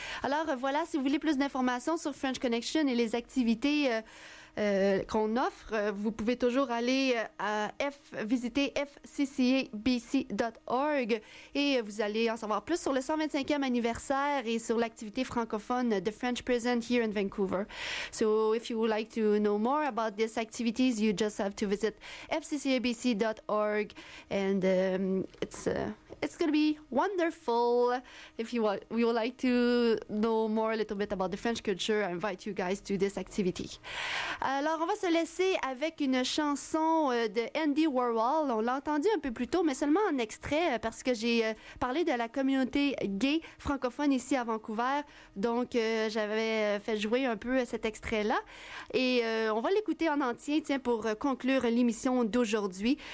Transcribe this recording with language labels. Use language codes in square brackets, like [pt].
[fr] Alors voilà, si vous voulez plus d'informations sur French Connection et les activités qu'on offre, vous pouvez toujours aller visiter fccabc.org et vous allez en savoir plus sur le 125e anniversaire et sur l'activité francophone de French Prison [en] here in Vancouver. So if you would like to know more about these activities, you just have to visit fccabc.org and it's going to be wonderful. If you would like to know more a little bit about the French culture, I invite you guys to this activity. [fr] Alors, on va se laisser avec une chanson de Andy Warhol. On l'a entendu un peu plus tôt, mais seulement en extrait, parce que j'ai parlé de la communauté gay francophone ici à Vancouver. Donc, j'avais fait jouer un peu cet extrait-là. Et on va l'écouter en entier, tiens, pour conclure l'émission d'aujourd'hui.